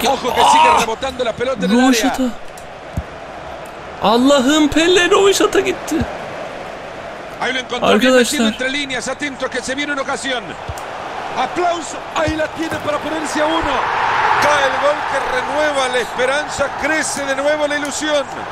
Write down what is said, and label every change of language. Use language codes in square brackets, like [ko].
[es] Ojo que sigue rebotando la pelota en el área. [tr] Allah'ım Pelé Rovişat'a gitti. Arkadaşlar. [es] Entre líneas, atento que se viene una ocasión. Aplauso, ahí la tiene para ponerse a uno. Cae el gol que renueva la esperanza, crece de nuevo la ilusión.